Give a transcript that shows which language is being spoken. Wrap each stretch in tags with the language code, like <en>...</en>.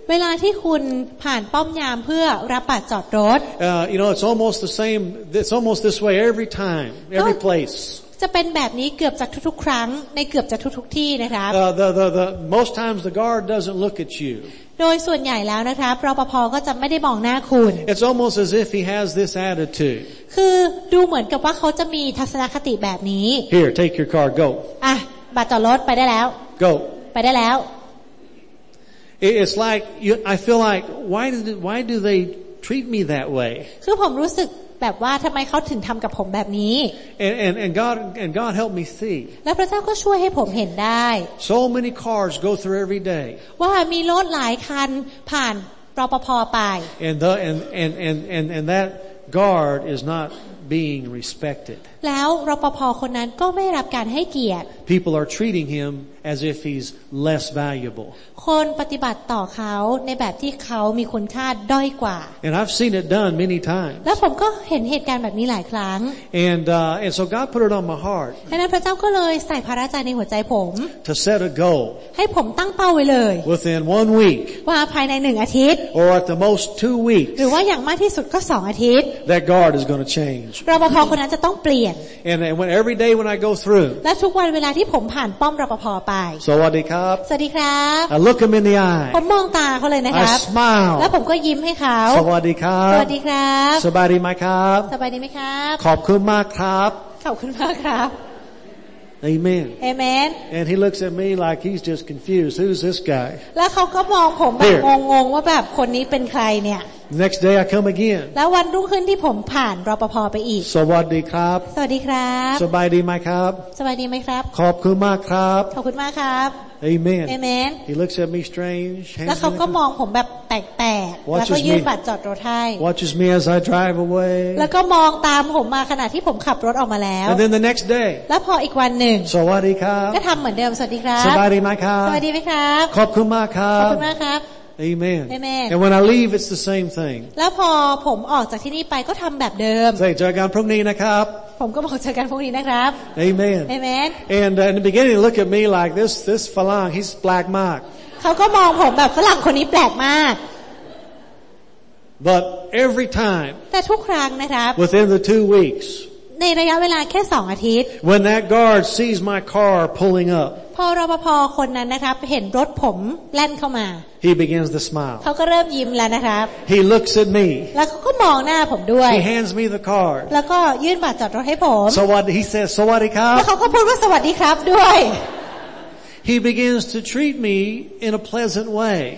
<th>เวลาที่คุณผ่านป้อมยามเพื่อรับบัตรจอดรถ</th> <en>you know it's almost the same it's almost this way every time every place</en> <th>จะเป็นแบบนี้เกือบจะทุกๆครั้งในเกือบจะทุกๆที่นะครับ</th> <en>the most times the guard doesn't look at you</en> <th>โดยส่วนใหญ่แล้วนะครับรปภ.ก็จะไม่ได้มองหน้าคุณ</th> <en>It's almost as if he has this attitude</en> <th>คือดูเหมือนกับว่าเขาจะมีทัศนคติแบบนี้</th> <en>Here take your car go</en> <th>อ่ะบัตรจอดรถไปได้แล้ว</th> <en>Go</en> <th>ไปได้แล้ว</th> <en>It's like I feel like why do they treat me that way</en> <th>คือผมรู้สึกแบบว่าทำไมเขาถึงทำกับผมแบบนี้</th> <en>and God help me see</en> <th>แล้วพระเจ้าก็ช่วยให้ผมเห็นได้</th> <en>so many cars go through every day</en> <th>ว่ามีรถหลายคันผ่านรปภ. ไป</th> <en>and that guard is not being respected</en> <th>แล้วรปภ. คนนั้นก็ไม่รับการให้เกียรติ</th> <en>people are treating him as if he's less valuable</en> <th>คนปฏิบัติต่อเขาในแบบที่เขามีคุณค่าด้อยกว่า</th> <en>and I've seen it done many times</en> <th>แล้วผมก็เห็นเหตุการณ์แบบนี้หลายครั้ง</th> <en>and so God put it on my heart</en> <th>ดังนั้นพระเจ้าก็เลยใส่ภาระใจในหัวใจผม</th> <en>to set a goal</en> <th>ให้ผมตั้งเป้าไว้เลย</th> <en>within 1 week</en> <th>ว่าภายใน1อาทิตย์</th> <en>or at the most 2 weeks</en> <th>หรือว่าอย่างมากที่สุดก็2อาทิตย์</th> <en>that guard is going to change change. รปภ.</en> <th>คนนั้นจะต้องเปลี่ยน</th> <en>And when every day when I go through.</en> <th>และทุกวันเวลาที่ผมผ่านป้อมรปภ. ไป สวัสดีครับ สวัสดีครับ</th> <en>I look him in the eye.</en> <th>ผมมองตาเขาเลยนะครับ</th> <en>I smile.</en> <th>และผมก็ยิ้มให้เขา สวัสดีครับ สวัสดีครับ สบายดีไหมครับ สบายดีไหมครับ ขอบคุณมากครับ ขอบคุณมากครับAmen.</th> <en>Amen. And he looks at me like he's just confused. Who's this guy?</en> <th>แล้วเขาก็มองผมแบบงงๆว่าแบบคนนี้เป็นใครเนี่ย</th> <en>Next day I come again.</en> <th>แล้ววันรุ่งขึ้นที่ผมผ่านรปภ. ไปอีก สวัสดีครับ สวัสดีครับ สบายดีไหมครับ สบายดีไหมครับ ขอบคุณมากครับ ขอบคุณมากครับ</th> <en>Amen. Amen. He looks at me strange.</en> <th>แล้วเขาก็มองผมแบบแปลกๆแล้วก็ยื่นบัตรจอดรถให้</th> <en>Watches me as I drive away.</en> <th>แล้วก็มองตามผมมาขณะที่ผมขับรถออกมาแล้ว</th> <en>And then the next day.</en> <th>แล้วพออีกวันนึง สวัสดีครับ ก็ทำเหมือนเดิมสวัสดีครับ สบายดีไหมครับ สบายดีไหมครับ ขอบคุณมากครับ ขอบคุณมากครับ</th> <en>Amen. Amen. And when I leave, it's the same thing.</en> <th>แล้วพอผมออกจากที่นี่ไปก็ทำแบบเดิม</th> <en>Say,</en> <th>เจอกันพรุ่งนี้นะครับ ผมก็บอกเจอกันพรุ่งนี้นะครับ</th> <en>Amen. Amen. And in the beginning, look at me like this. This Falang, he's black mark.</en> <th>เขาก็มองผมแบบฝรั่งคนนี้แปลกมาก</th> <en>But every time.</en> <th>แต่ทุกครั้งนะครับ</th> <en>Within the 2 weeks.</en> <th>ในระยะเวลาแค่2 อาทิตย์</th> <en>When that guard sees my car pulling up.</en> <th>พอรปภ. คนนั้นนะครับเห็นรถผมแล่นเข้ามา</th> <en>He begins to smile.</en> <th>เขาก็เริ่มยิ้มแล้วนะครับ</th> <en>He looks at me.</en> <th>แล้วเขาก็มองหน้าผมด้วย</th> <en>He hands me the card.</en> <th>แล้วก็ยื่นบัตรจอดรถให้ผม</th> <en>So what he says,</en> <th>สวัสดีครับ แล้วเขาก็พูดว่าสวัสดีครับด้วย</th> <en>He begins to treat me in a pleasant way.</en>